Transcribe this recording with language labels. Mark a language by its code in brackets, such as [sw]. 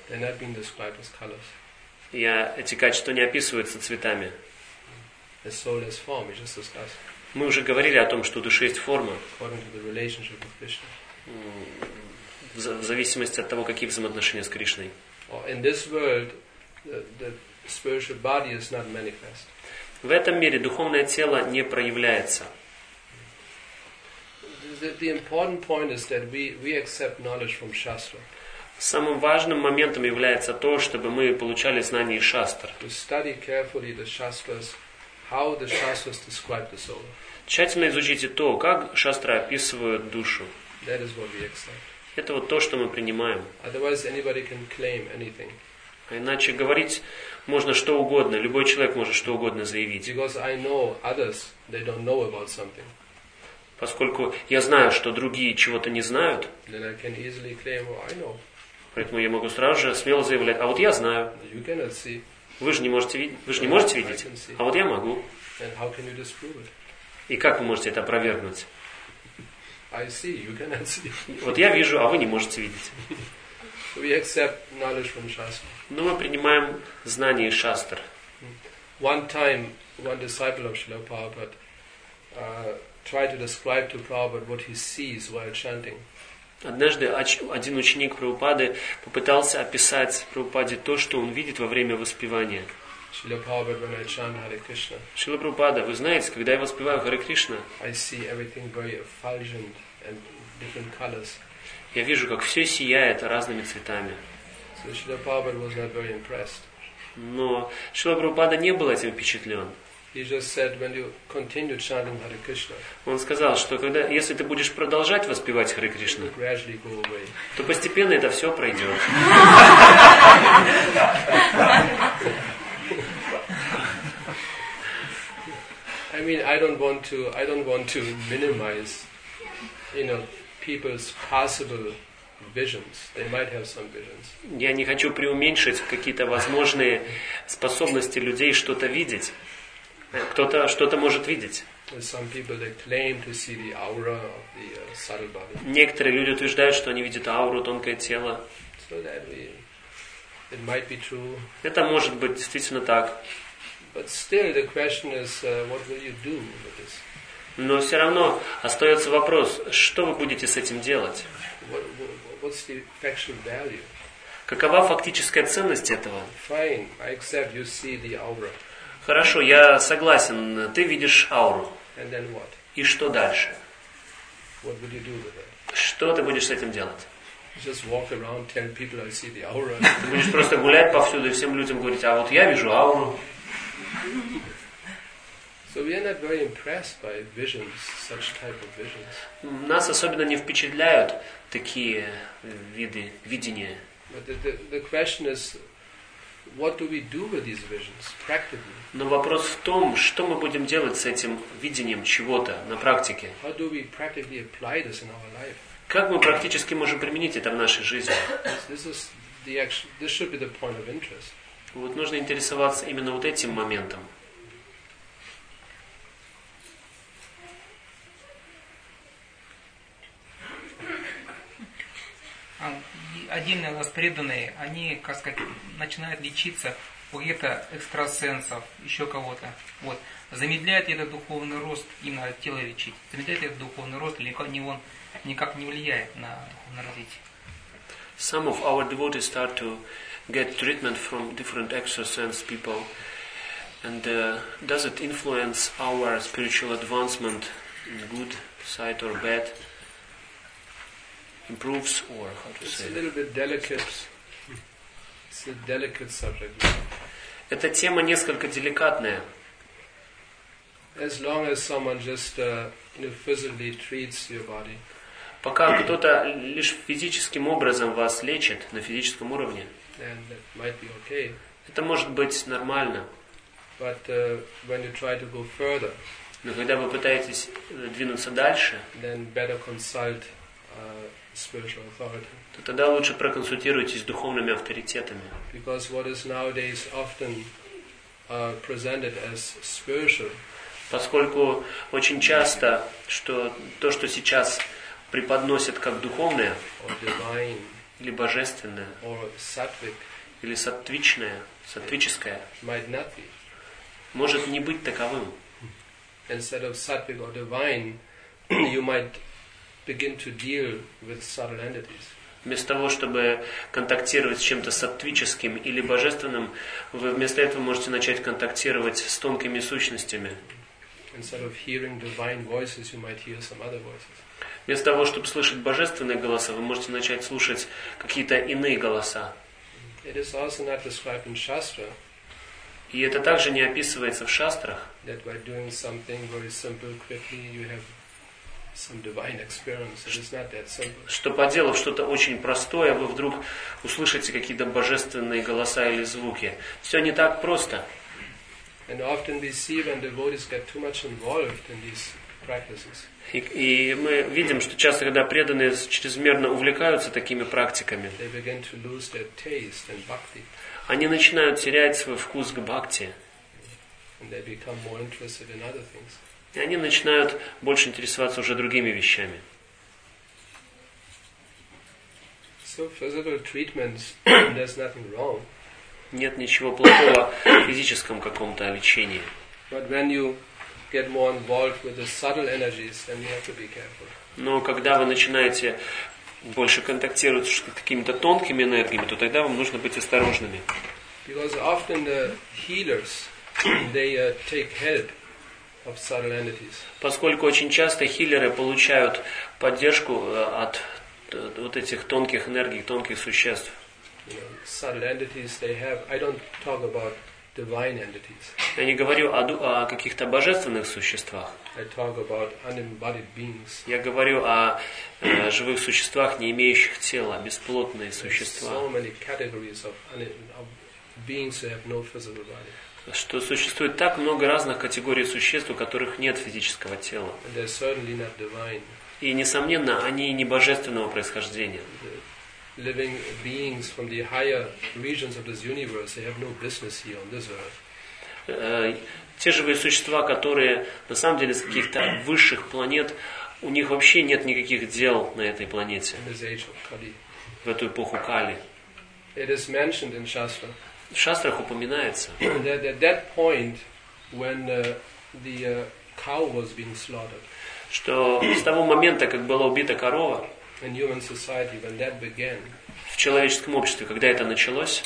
[en] They're not being described as colors. [ru] И эти качества не описываются цветами. [en] The soul has form, we just discussed. [ru] Мы уже говорили о том, что у души есть форма. [en] According to the relationship with Krishna. [ru] В зависимости от того, какие взаимоотношения с Кришной. [en] In this world, the spiritual body is not manifest. [ru] В этом мире духовное тело не проявляется. [en] The important point is that we accept knowledge from Shastra. [ru] Самым важным моментом является то, чтобы мы получали знания из шастр. [en] We study carefully the shastras, how the shastras describe the soul. [ru] Тщательно изучите то, как шастры описывают душу. [en] That is what we accept. [ru] Это вот то, что мы принимаем. [en] Otherwise anybody can claim anything. [ru] А иначе говорить можно что угодно, любой человек может что угодно заявить. [en] Because I know others, they don't know about something. [ru] Поскольку я знаю, что другие чего-то не знают, [en] then I can easily claim, well, I know. [ru] Поэтому я могу сразу же смело заявлять, а вот я знаю. [en] You cannot see. [ru] Вы же не можете видеть, а вот я могу. [en] And how can you disprove it? [ru] И как вы можете это опровергнуть? [en] I see, you cannot see. [ru] Вот я вижу, а вы не можете видеть. [en] We accept knowledge from Shastra. [ru] Но мы принимаем знания из шастр. [en] One time, one disciple of Srila Prabhupada tried to describe to Prabhupada what he sees while chanting. [ru] Однажды один ученик Прабхупады попытался описать Прабхупаде то, что он видит во время воспевания. [en] Srila Prabhupada, when I chant Hare Krishna. [ru] Srila Prabhupada, вы знаете, когда я воспеваю Hare Krishna, [en] I see everything very effulgent and different colors. [ru] Я вижу, как все сияет разными цветами. [en] So Srila Prabhupada was not very impressed. [ru] Но Srila Prabhupada не был этим впечатлен. [en] He just said, when you continue chanting Hare Krishna. [ru] Он сказал, что когда, если ты будешь продолжать воспевать Hare Krishna, [en] gradually go away. [ru] То постепенно это все пройдет. [en] I mean, I don't want to minimize, you know, people's possible visions. They might have some visions. [ru] Я не хочу преуменьшить какие-то возможные способности людей что-то видеть. Кто-то что-то может видеть. [en] Some people they claim to see the aura of the subtle body. [ru] Некоторые люди утверждают, что они видят ауру тонкое тело. [en] So that it might be true. [ru] Это может быть действительно так. [en] But still, the question is, what will you do with this? [ru] Но все равно остается вопрос, что вы будете с этим делать? [en] What's the actual value? [ru] Какова фактическая ценность этого? [en] Fine, I accept. You see the aura. [ru] Хорошо, я согласен. Ты видишь ауру. [en] And then what? [ru] И что дальше? [en] What will you do with it? [ru] Что ты будешь с этим делать? [en] Just walk around, tell people I see the aura. [ru] Ты будешь просто гулять повсюду и всем людям говорить, а вот я вижу ауру. [en] So we are not very impressed by visions, such type of visions. [ru] Нас особенно не впечатляют такие виды видения. [en] But the question is, what do we do with these visions practically? [ru] Но вопрос в том, что мы будем делать с этим видением чего-то на практике? [en] How do we practically apply this in our life? [ru] Как мы практически можем применить это в нашей жизни? [en] This should be the point of interest. [ru] Вот нужно интересоваться именно вот этим моментом. Отдельные у вас преданные, они, как сказать, начинают лечиться у где-то экстрасенсов, еще кого-то. Вот. Замедляет ли этот духовный рост, именно тело лечить? Замедляет ли этот духовный рост, или он никак не влияет на духовное развитие? [en] Some of our devotees start to get treatment from different extrasense people, and does it influence our spiritual advancement good side or bad improves, or how to it's say it's a little bit delicate. It's a delicate subject. [ru] Эта тема несколько деликатная. [en] As long as someone just physically treats your body. [ru] Пока кто-то лишь физическим образом вас лечит на физическом уровне. [en] And it might be okay. [ru] Это может быть нормально. [en] But when you try to go further. [ru] Но когда вы пытаетесь двинуться дальше, [en] then better consult spiritual authority. [ru] То тогда лучше проконсультируйтесь с духовными авторитетами. [en] Because what is nowadays often presented as spiritual. [ru] Поскольку очень часто, что то, что сейчас преподносят как духовное, [en] or divine, [ru] или божественное, [en] or sattvic, [ru] или сатвичное, сатвическое, [en] might not be. [ru] Может не быть таковым. [en] Instead of sattvic or divine, you might begin to deal with subtle entities. [ru] Вместо того, чтобы контактировать с чем-то сатвическим или божественным, вы вместо этого можете начать контактировать с тонкими сущностями. [en] Instead of hearing divine voices, you might hear some other voices. [ru] Вместо того, чтобы слышать божественные голоса, вы можете начать слушать какие-то иные голоса. [en] It is also not described in Shastra. [ru] И это также не описывается в шастрах. [en] That by doing something very simple, quickly, you have some divine experience. It is not that simple. [ru] Что поделав что-то очень простое, вы вдруг услышите какие-то божественные голоса или звуки. Все не так просто. [en] And often we see when devotees get too much involved in these practices. [ru] И мы видим, что часто, когда преданные чрезмерно увлекаются такими практиками, [en] they begin to lose their taste and bhakti. [ru] Они начинают терять свой вкус к бхакти. [en] And they become more interested in other things. [ru] И они начинают больше интересоваться уже другими вещами. [en] So physical treatments, there's nothing wrong. [ru] Нет ничего плохого в физическом каком-то лечении. [en] But when you get more involved with the subtle energies, then you have to be careful. [ru] Но когда вы начинаете больше контактировать с какими-то тонкими энергиями, то тогда вам нужно быть осторожными. [en] Because often the healers, they take help of subtle entities. [ru] Поскольку очень часто хилеры получают поддержку от вот этих тонких энергий, тонких существ. [en] Subtle entities they have. I don't talk about divine entities. [ru] Я не говорю о каких-то божественных существах. [en] I talk about unembodied beings. [ru] Я говорю о живых существах, не имеющих тела, бесплотные существа. [en] So many categories of beings who have no physical body. [ru] Что существует так много разных категорий существ, у которых нет физического тела. [en] And they're certainly not divine. [ru] И несомненно, они не божественного происхождения. [en] Living beings from the higher regions of this universe, they have no business here on this earth. [ru] Те живые существа, которые на самом деле с каких-то высших планет, у них вообще нет никаких дел на этой планете. [en] In this age of Kali. [ru] В эту эпоху Кали. [en] It is mentioned in Shastra. [ru] В шастрах упоминается. [en] That at that point, when the cow was being slaughtered. [ru] Что с того момента, как была убита корова, [en] in human society, when that began, [ru] в человеческом обществе, когда это началось,